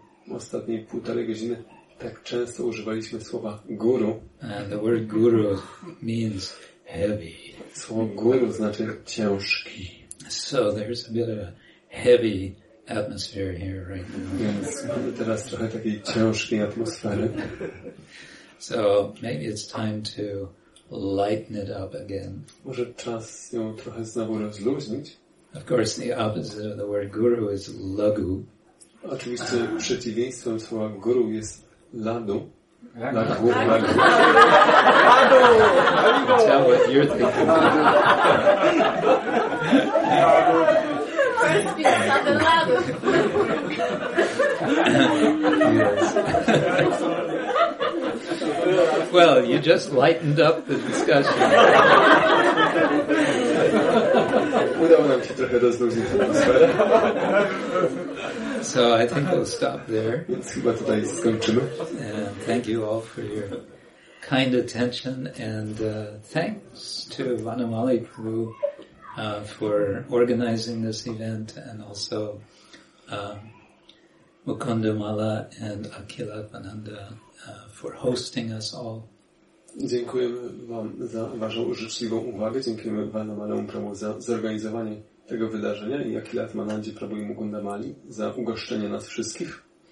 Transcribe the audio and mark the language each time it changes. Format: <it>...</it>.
<pl>ostatniej półtorej godziny tak często używaliśmy słowa guru.</pl> <en>The word guru means heavy.</en> <pl>Słowo guru znaczy ciężki.</pl> <en>So there's a bit of a heavy atmosphere here right now.</en> <pl>Więc mamy teraz trochę takiej ciężkiej atmosfery.</pl> <en>So maybe it's time to lighten it up again.</en> <pl>Może czas ją trochę znowu rozluźnić.</pl> <en>Of course, the opposite of the word guru is lagu.</en> <pl>Oczywiście przeciwieństwem słowa guru jest ladu.</pl> <en>Lagu.</en> <pl>Ladu.</pl> <en>Tell what you're thinking. First piece of the ladu. Yes. Well, you just lightened up the discussion.</en> <pl>Udało nam się trochę rozluźnić atmosferę.</pl> <en>So I think we'll stop there.</en> <pl>Więc chyba tutaj skończymy.</pl> <en>Thank you all for your kind attention and thanks to Vanamali Prabhu for organizing this event, and also Mukundamala and Akhila Pananda for hosting us all.</en> <pl>Dziękujemy Wam za Waszą życzliwą uwagę. Dziękujemy Panu Malemu Prabhu za zorganizowanie tego wydarzenia i Akhilat Manandzie Prabhu i Mukundamali za ugoszczenie nas wszystkich.</pl>